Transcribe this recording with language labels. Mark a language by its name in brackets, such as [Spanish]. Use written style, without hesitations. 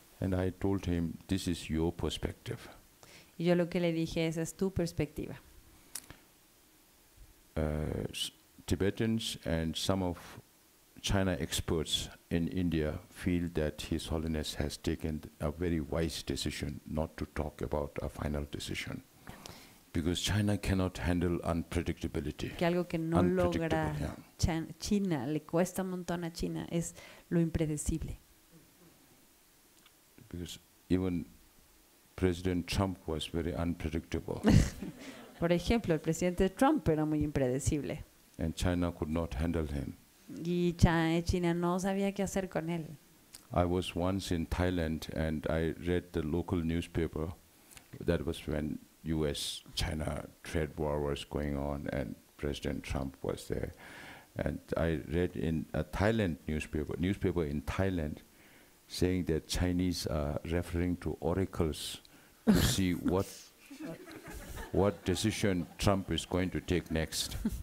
[English] And I told him, this is your perspective. [Spanish] Yo lo que le dije, esa es tu perspectiva. [English] Tibetans and some of China experts in India feel that His Holiness has taken a very wise decision not to talk about a final decision. Because China cannot handle unpredictability. [Spanish] Que algo que no logra China, le cuesta un montón a China, es lo impredecible. [English] Because even President Trump was very unpredictable. [Spanish] Por ejemplo, el presidente Trump era muy impredecible. [English] And China could not handle him. [Spanish] Y China no sabía qué hacer con él. [English] I was once in Thailand and I read the local newspaper. That was when US-China trade war was going on and President Trump was there. And I read in a Thailand newspaper in Thailand, saying that Chinese are referring to oracles to see what decision Trump is going to take next.